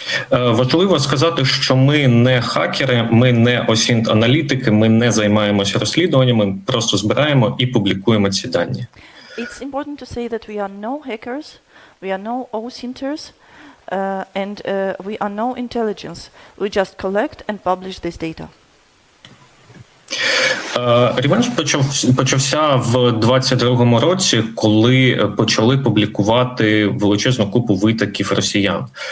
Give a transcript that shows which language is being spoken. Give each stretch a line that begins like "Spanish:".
Ukrainian: Важливо сказати, що ми не хакери, ми не OSINT-аналітики, ми не займаємося розслідуваннями, ми просто збираємо і публікуємо ці дані.
English: It's important to say that we are no hackers, we are no OSINTers, and we are no intelligence. We just collect and publish this data.
Ukrainian: Revenge почався в 22-му році, коли почали публікувати величезну купу витоків росіян.